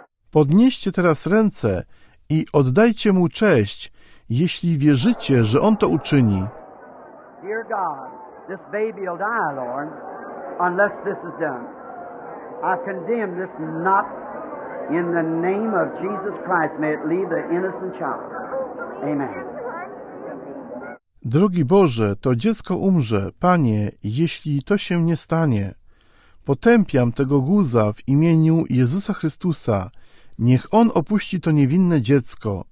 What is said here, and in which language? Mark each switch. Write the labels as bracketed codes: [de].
[pl] Podnieście teraz ręce i oddajcie Mu cześć, jeśli wierzycie, że On to uczyni. [en] Dear God, this baby will die, Lord, unless this is done. I condemn this not in the name of Jesus Christ. May it leave the innocent child. Amen. [pl] Drogi Boże, to dziecko umrze, Panie, jeśli to się nie stanie. Potępiam tego guza w imieniu Jezusa Chrystusa. Niech on opuści to niewinne dziecko.